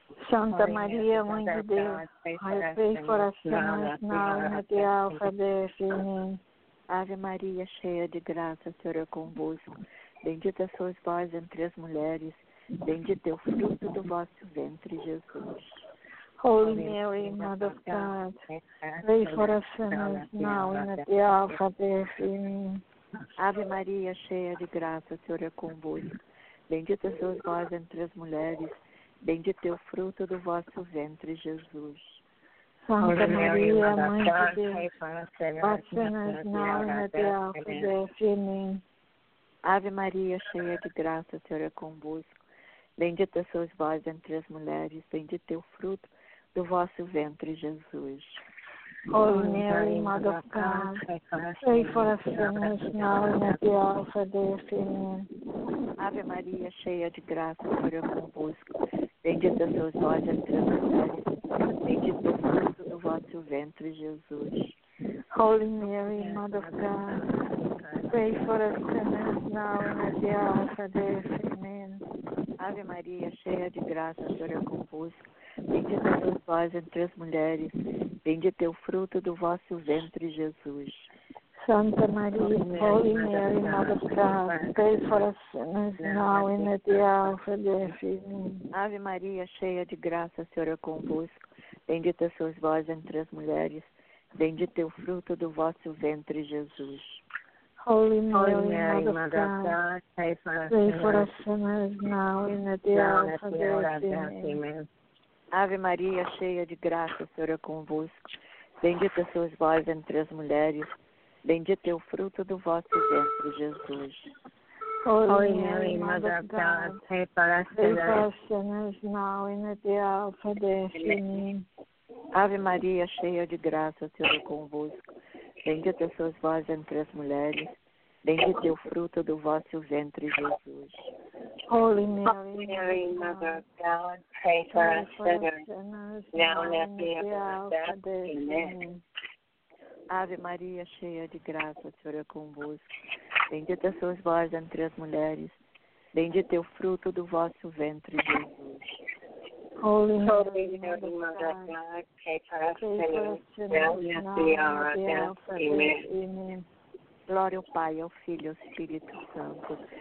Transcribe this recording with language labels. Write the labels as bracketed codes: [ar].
[pt] Santa Maria, Mãe de Deus, rogai por nós [en] sinners now and at the hour of our death. Amém. [pt] Ave Maria, cheia de graça, o Senhor é convosco. Bendita sois vós entre as mulheres, bendito é o fruto do vosso ventre, Jesus. [en] Holy Mary, Mother of God, pray for us sinners now and at the hour of our death. [pt] Amém. Ave Maria, cheia de graça, o Senhor é convosco. Bendita sois vós entre as mulheres, bendito é o fruto do vosso ventre, Jesus. Santa Maria, Mãe de Deus, passe nas nossas de alto, Deus em mim. Ave Maria, cheia de graça, o Senhor é convosco. Bendita sois vós entre as mulheres, bendito é o fruto do vosso ventre, Jesus. [en] Holy Mary, Mother of God, pray for us sinners now and at the hour of our death. Amen. [pt] Ave Maria, cheia de graça, o Senhor é convosco. Bendita sois vós entre as mulheres, bendito é o fruto do vosso ventre, Jesus. [en] Holy Mary, Mother of God, pray for us sinners now and at the hour of our death. Amen. [pt] Ave Maria, cheia de graça, o Senhor é convosco. Bendita sois vós entre as mulheres, bendito é o fruto do vosso ventre, Jesus. [en] Santa Maria, Holy Mary, Mother of God, pray for us sinners now and at the hour of our death. Amen. [pt] Ave Maria, cheia de graça, o Senhor é convosco. Bendita sois vós entre as mulheres, bendito é o fruto do vosso ventre, Jesus. [en] Holy Mary, Mother of God, pray for us sinners now and at the hour of our death. Amen. [pt] Ave Maria, cheia de graça, o Senhor é convosco. Bendita sois vós entre as mulheres. Bendito é o fruto do vosso ventre, Jesus. [en] Holy Mary, Mother of God, pray for us sinners now and at the hour of our death. Amen. [pt] Ave Maria, cheia de graça, o Senhor é convosco. Bendita sois vós entre as mulheres. Bendito é o fruto do vosso ventre, Jesus. [en] Holy Mary, Mother of God, pray for us sinners, now and at the hour of our death. Amen. [pt] Ave Maria, cheia de graça, o Senhor é convosco. Bendita sois vós entre as mulheres. Bendito é o fruto do vosso ventre, Jesus. [en] Holy Mary, Mother of God, pray for us sinners, now and at the hour of death. Amen. [pt] Glória ao Pai, ao Filho e ao Espírito Santo.